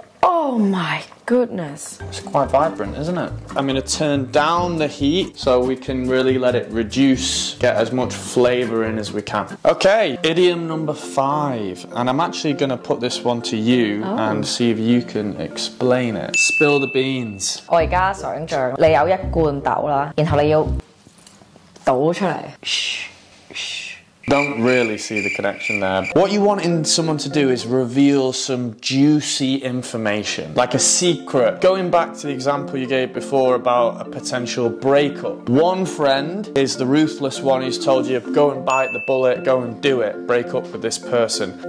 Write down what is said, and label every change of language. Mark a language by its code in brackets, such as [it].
[en] Oh my goodness. It's quite vibrant, isn't it? I'm gonna turn down the heat so we can really let it reduce, get as much flavour in as we can. Okay, idiom number five. And I'm actually gonna put this one to you and see if you can explain it. Spill the beans. [yue] 我而家想像你有一罐豆啦，然后你要倒出来。 [en] Don't really see the connection there. What you want in someone to do is reveal some juicy information, like a secret. Going back to the example you gave before about a potential breakup. One friend is the ruthless one who's told you, go and bite the bullet, go and do it, break up with this person.